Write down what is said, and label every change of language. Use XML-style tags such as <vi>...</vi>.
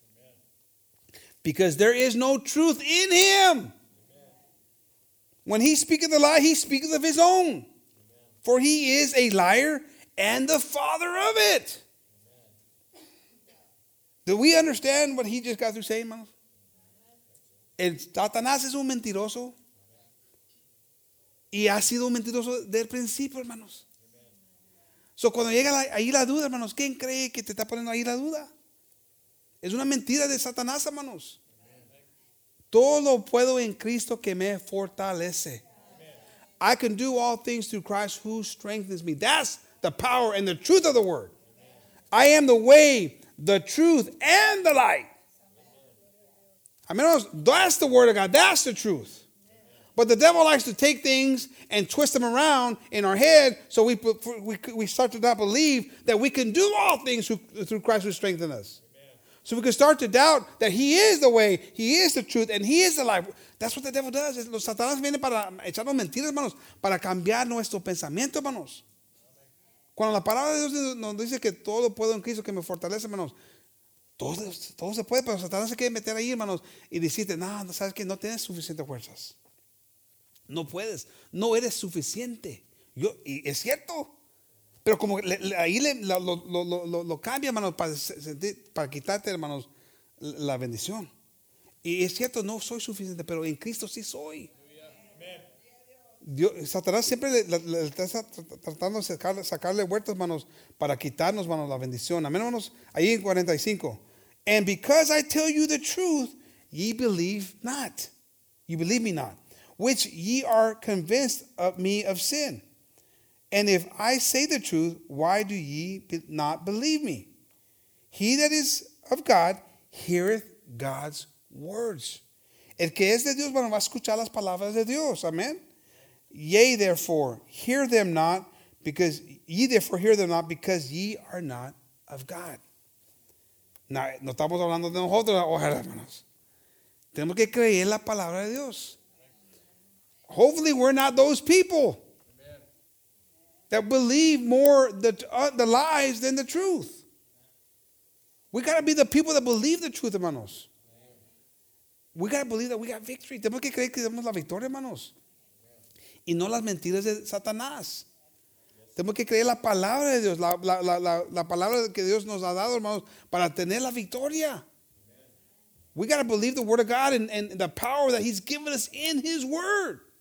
<en>Amen. Because there is no truth in him. Amen. When he speaketh a lie, he speaketh of his own. Amen. For he is a liar and the father of it. Amen. Do we understand what he just got through saying, man?</en> <es>El Satanás es un mentiroso. Y ha sido un mentiroso del principio, hermanos. So cuando llega ahí la duda, hermanos, ¿quién cree que te está poniendo ahí la duda? Es una mentira de Satanás, hermanos. Amen. Todo lo puedo en Cristo que me fortalece.</es> <en>Amen. I can do all things through Christ who strengthens me. That's the power and the truth of the word. Amen. I am the way, the truth, and the light. Amen. Amen. That's the word of God. That's the truth. But the devil likes to take things and twist them around in our head so we start to not believe that we can do all things through Christ who strengthens us. Amen. So we can start to doubt that he is the way, he is the truth, and he is the life. That's what the devil does.</en> <es>Los satanás vienen para echarnos mentiras, hermanos, para cambiar nuestro pensamiento, hermanos. Cuando la palabra de Dios nos dice que todo puedo en Cristo que me fortalece, hermanos, todo se puede, pero Satanás se quiere meter ahí, hermanos, y decirte, no, sabes que no tienes suficientes fuerzas. No puedes, no eres suficiente. Yo, y es cierto, pero como ahí lo cambia, hermanos, para quitarte, hermanos, la bendición. Y es cierto, no soy suficiente, pero en Cristo sí soy. Dios, Satanás siempre le está tratando de sacarle huertos, hermanos, para quitarnos, hermanos, la bendición. Amén, hermanos, ahí en 45.</es> <en>And because I tell you the truth, ye believe not. You believe me not. Which ye are convinced of me of sin. And if I say the truth, why do ye not believe me? He that is of God heareth God's words.</en> <es>El que es de Dios, bueno, va a escuchar las palabras de Dios.</es> <en>Amen. Ye therefore hear them not because ye are not of God.</en> <es>No estamos hablando de nosotros, ojalá, hermanos. Tenemos que creer la palabra de Dios.</es> <en>Hopefully we're not those people. Amen. That believe more the lies than the truth. We got to be the people that believe the truth, hermanos. Amen. We got to believe that we got victory.</en> <es>Tenemos que creer que tenemos la victoria, hermanos. Amen. Y no las mentiras de Satanás. Yes. Tenemos que creer la palabra de Dios, la palabra que Dios nos ha dado, hermanos, para tener la victoria.</es> <en>Amen. We got to believe the word of God and the power that he's given us in his word.</en>